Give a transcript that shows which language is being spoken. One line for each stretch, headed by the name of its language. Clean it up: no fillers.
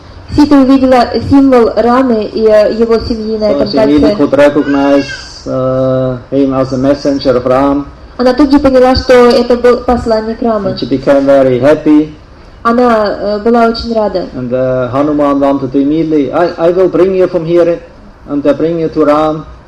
Russian: Сита увидела символ Рамы и его семьи на этом кольце.
English: So she really could recognize him as a messenger of Ram.
Russian: Она тут же поняла, что это был посланник Рамы.
English: And she became very happy.
Russian: Она была очень рада.
English: And Hanuman wanted to immediately, I will bring you from here and I bring you to Ram.